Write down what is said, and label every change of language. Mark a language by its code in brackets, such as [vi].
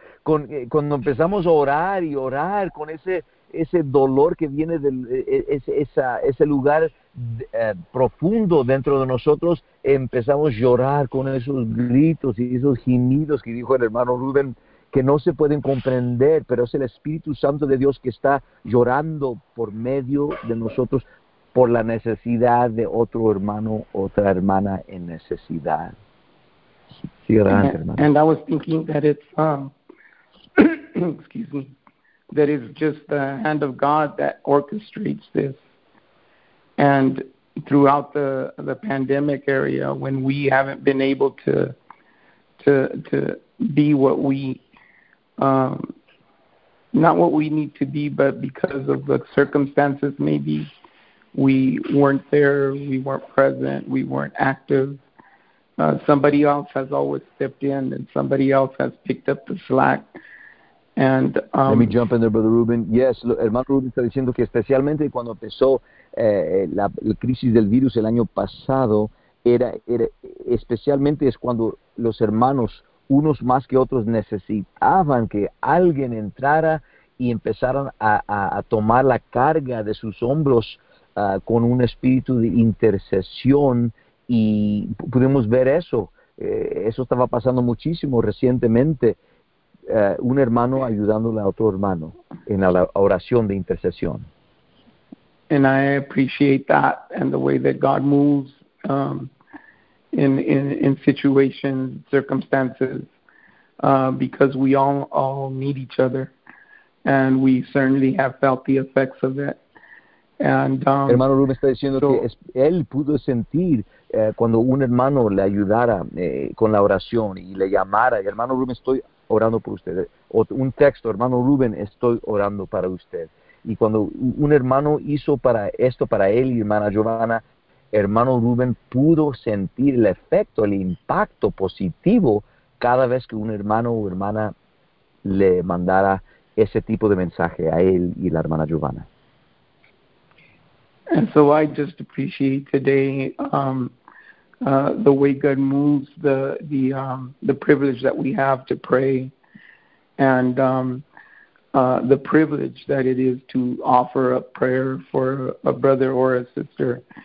[es] Cuando empezamos a orar y orar con ese dolor que viene de ese lugar profundo dentro de nosotros, empezamos a llorar con esos gritos y esos gemidos que dijo el hermano Rubén, que no se pueden comprender, pero es el Espíritu Santo de Dios que está llorando por medio de nosotros por la necesidad de otro hermano, otra hermana en necesidad. Sí, adelante, hermano. [en] And I was thinking that it's excuse me, that is just the hand of God that orchestrates this. And throughout the pandemic area, when we haven't been able to be what we, not what we need to be, but because of the circumstances, maybe we weren't there, we weren't present, we weren't active. Somebody else has always stepped in and somebody else has picked up the slack. And, let me jump in there, Brother Ruben. [es] Yes, hermano Ruben está diciendo que especialmente cuando empezó la crisis del virus el año pasado, era especialmente es cuando los hermanos, unos más que otros, necesitaban que alguien entrara y empezaran a tomar la carga de sus hombros con un espíritu de intercesión, y pudimos ver eso. Eso estaba pasando muchísimo recientemente. Un hermano ayudándole a otro hermano en la oración de intercesión. [en] And I appreciate that and the way that God moves in situations, circumstances, because we all need each other, and we certainly have felt the effects of it. And [es] hermano Rubén está diciendo que él pudo sentir cuando un hermano le ayudara con la oración y le llamara. Y hermano Rubén, estoy orando por usted. Un texto, hermano Rubén, estoy orando para usted. Y cuando un hermano hizo para él y hermana Giovanna, hermano Rubén pudo sentir el efecto, el impacto positivo cada vez que un hermano o hermana le mandara ese tipo de mensaje a él y la hermana Giovanna. [en] And so I just appreciate today the way God moves, the privilege that we have to pray, and the privilege that it is to offer up prayer for a brother or a sister.